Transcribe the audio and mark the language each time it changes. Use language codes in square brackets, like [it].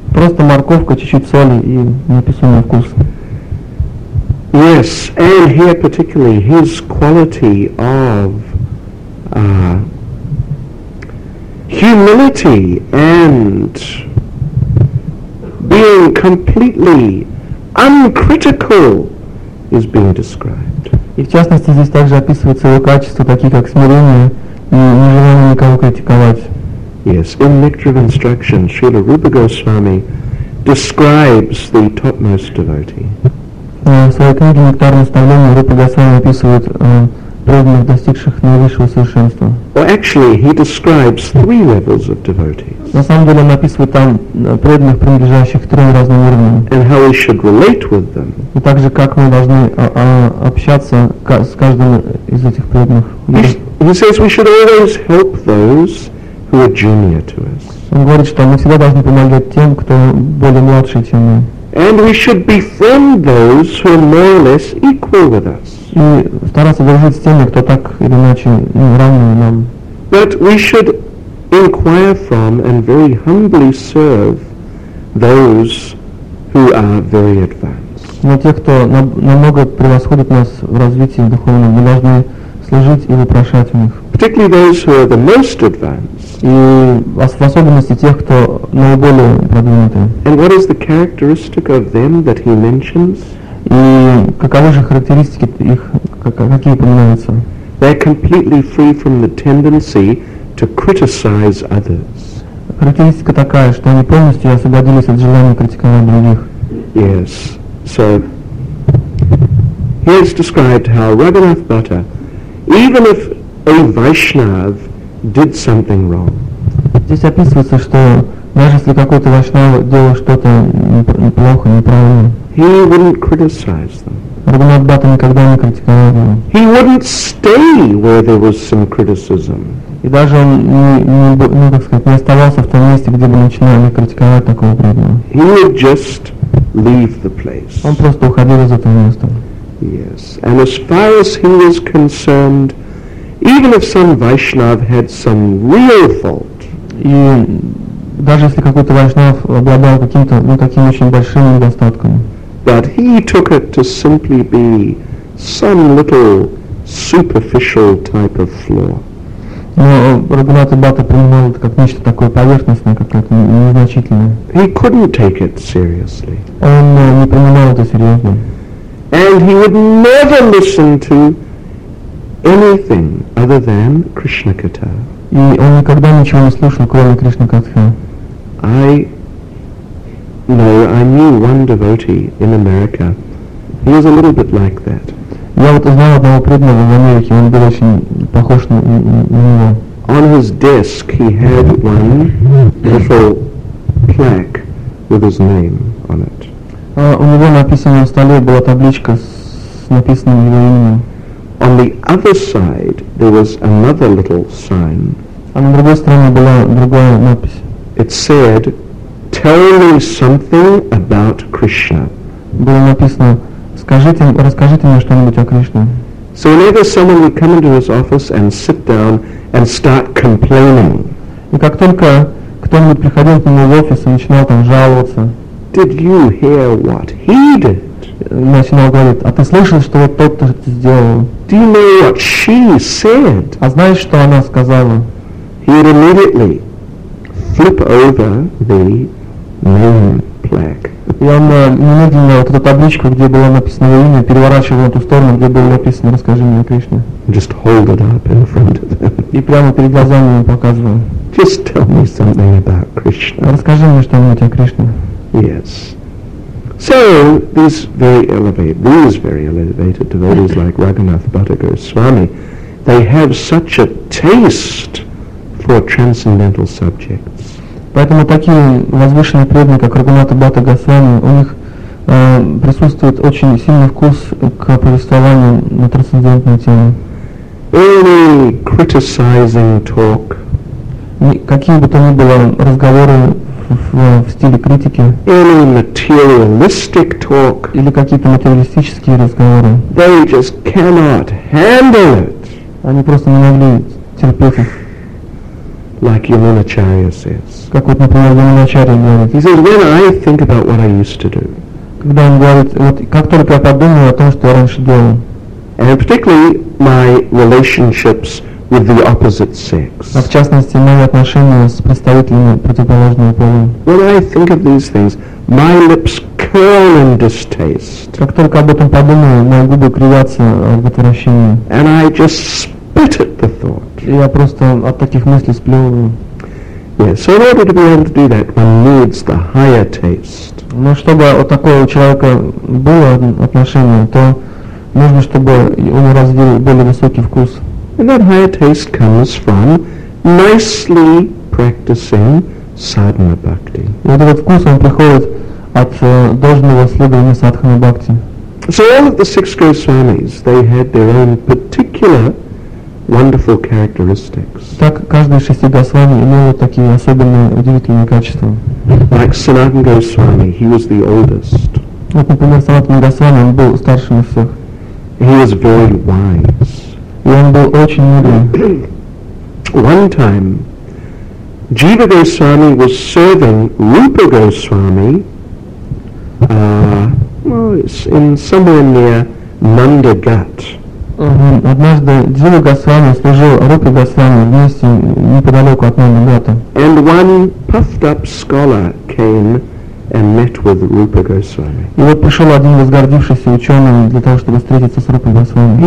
[ru] Просто морковка, чуть-чуть соли и неописуемый вкус. [en] Yes, and here particularly his quality of humility and being completely uncritical is being described. [ru] И в частности здесь также описывается его качества, такие как смирение и нежелание никого критиковать. [en] Yes, in Nectar of Instruction, Srila Rupa Goswami describes the topmost devotee. [ru] В своей книге «Нектар наставления» Рупа Госвами описывает преданных, достигших наивысшего совершенства. [en] Or actually, he describes three levels of devotees. [ru] На самом деле, он описывает там преданных, принадлежащих к трем разным уровням. [en] And how we should relate with them. [ru] И также, как мы должны общаться с каждым из этих преданных. [en] He says we should always help those who are junior to us. [ru] Он говорит, что мы всегда должны помогать тем, кто более младше, чем мы. [en] And we should befriend those who are more or less equal with us. [ru] И стараться дружить с теми, кто так или иначе равны нам. [en] But we should inquire from and very humbly serve those who are very advanced. [ru] Но те, кто намного превосходит нас в развитии духовном, мы должны служить и вопрошать у них. [en] Particularly those who are the most advanced. [ru] И в особенности тех, кто наиболее продвинуты. [en] And what is the characteristic of them that he mentions? [ru] И каковы же характеристики их, какие упоминаются? [en] They're completely free from the tendency to criticize others. [ru] Характеристика такая, что они полностью освободились от желания критиковать других. [en] Yes. So here's described how Raghunath Bhatta, even if a Vaishnav did something wrong. [ru] Здесь описывается, что даже если какой-то Вайшнав делал что-то плохо, неправильно, [en] he wouldn't criticize them. [ru] Рагунат Бхатта никогда не критиковал его. [en] He wouldn't stay where there was some criticism. [ru] И даже он не оставался в том месте, где бы начинали критиковать такого преданного. [en] He would just leave the place. [ru] Он просто уходил из этого места. [en] Yes. And as far as he was concerned, even if some Vaishnav had some real fault. [ru] И даже если какой-то Вайшнав обладал каким-то, ну, таким очень большим недостатком. [en] But he took it to simply be some little superficial type of flaw. [ru] Но Рагунат Бхатта принимал это как нечто такое поверхностное, какое-то незначительное. [en] He couldn't take it seriously. [ru] Он не принимал это серьезно. [en] And he would never listen to anything other than Krishna Katha. [ru] И он никогда ничего не слушал, кроме Кришна Катха. [en] I knew one devotee in America. He was a little bit like that. [ru] Я вот узнал одного преданного в Америке, он был очень похож на него. [en] On his desk he had one little plaque with his name on it. [ru] У него написано на столе была табличка с написанным его именем. [en] On the other side there was another little sign. [ru] А на другой стороне была другая надпись. [en] It said, "Tell me something about Krishna." [ru] Было написано, расскажите мне что-нибудь о Кришне. [en] So whenever someone would come into his office and sit down and start complaining, [ru] и как только кто-нибудь приходил к нему в офис и начинал там жаловаться, [en] did you hear what he did? [ru] Начинал говорить, а ты слышал, что вот тот-то это сделал? [en] Do you know what she said? [ru] А знаешь, что она сказала? [en] He would immediately flip over the name plaque. [ru] И он немедленно вот эту табличку, где было написано его имя, переворачивал на ту сторону, где было написано «Расскажи мне о Кришне». [en] Just hold it up in front of them. [ru] И прямо перед глазами ему показывал. [en] Just tell me something about Krishna. [ru] Расскажи мне что-нибудь о Кришне. [en] Yes. So these very elevated devotees like Raghunath Bhatta Goswami, they have such a taste for transcendental subjects. [ru] Поэтому такие возвышенные преданные, как Рагунат Бхатта Госвами, у них присутствует очень сильный вкус к повествованию на трансцендентную тему. [en] Any criticizing talk, [ru] какие бы то ни было разговоры в стиле критики, [en] any materialistic talk, [ru] или какие-то материалистические разговоры, [en] they just cannot handle it. [ru] Они просто не могли терпеть их. [en] Like Yamanacharya says. [ru] Как вот, например, Yamanacharya говорит. [en] He says, when I think about what I used to do. [ru] Когда он говорит, вот как только я подумал о том, что я раньше делал. [en] And particularly my relationships with the opposite sex. [ru] А в частности, мои отношения с представителями противоположного пола. [en] When I think of these things, my lips curl in distaste. [ru] Как только об этом подумаю, мои губы кривятся в отвращении. [en] And I just spit at the thought. [ru] Я просто от таких мыслей сплёвываю. [en] Yes, so in order to be able to do that, one needs the higher taste. [ru] Но чтобы у такого человека было отношение, то нужно, чтобы он развил более высокий вкус. [en] And that higher taste comes from nicely practicing sadhana bhakti. [ru] Вот этот вкус, он приходит от должного следования садхана бхакти. [en] So all of the six Goswamis, they had their own particular wonderful characteristics. [ru] Так каждый из шести Госвами имел такие особенные удивительные качества. [en] Like Sanatan Goswami, he was the oldest. [ru] Вот, например, Sanatan Goswami, он был старшим из всех. [en] He was very wise. [ru] И он был очень мудрый. [en] One time, Jiva Goswami was serving Rupa Goswami. It's in somewhere near Nandagat. [ru] Однажды Джива Госвами служил Рупа Госвами в месте неподалеку от Нандагата. [en] And one puffed-up scholar came and met with Rupa Goswami. [ru] И вот пришел один возгордившийся ученый для того, чтобы встретиться с Рупой Госвами.